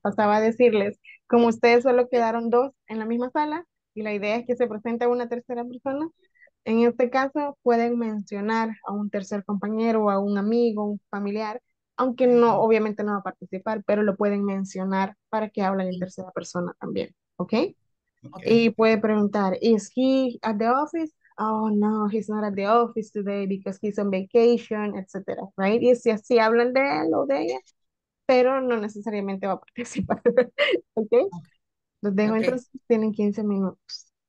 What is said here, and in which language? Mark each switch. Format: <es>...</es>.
<es>Pasaba a decirles, como ustedes solo quedaron dos en la misma sala y la idea es que se presente una tercera persona, en este caso pueden mencionar a un tercer compañero, a un amigo, un familiar, aunque no, obviamente no va a participar, pero lo pueden mencionar para que hablen en tercera persona también, ¿okay?</es> <en>¿Ok?</en> <es>Y puede preguntar,</es> <en>¿is he at the office? Oh, no, he's not at the office today because he's on vacation, etc. Right?</en> <es>Y si así hablan de él o de ella, pero no necesariamente va a participar, ¿okay? Los dejo entonces, tienen 15 minutos.</es>